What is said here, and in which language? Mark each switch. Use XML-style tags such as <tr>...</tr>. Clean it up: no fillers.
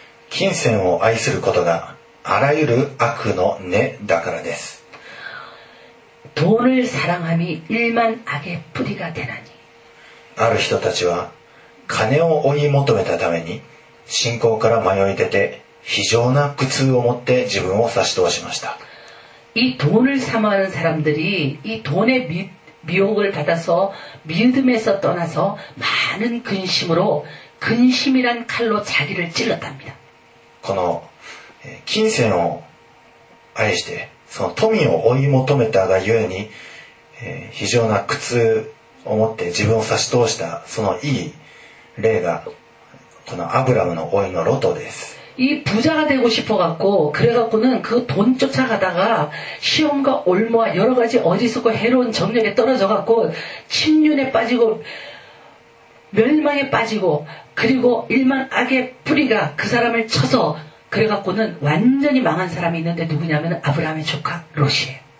<ja>金銭を愛することがあらゆる悪の根だからです</ja> <ko>돈을사랑함이일만악의뿌리가되나니</ko> <ja>ある人たちは金を追い求めたために信仰から迷い出て非常な苦痛を持って自分を差し通しました</ja> <ko>이돈을사모하는사람들이이돈의 미혹을받아서믿음에서떠나서많은근심으로근심이란칼로자기를찔렀답니다</ko> <ja>この金銭を愛してその富を追い求めたがゆえに非常な苦痛を持って自分を差し通したそのいい例がこのアブラムの甥のロトです</ja> <ko>이부자가되고싶어갖고그래갖고는그돈쫓아가다가시험과올무와여러가지어리석고해로운정욕에떨어져갖고침륜에빠지고멸망에빠지고그리고일만악의뿌리가그사람을쳐서그래갖고는완전히망한사람이있는데누구냐면아브라함의조카롯이에요</ko>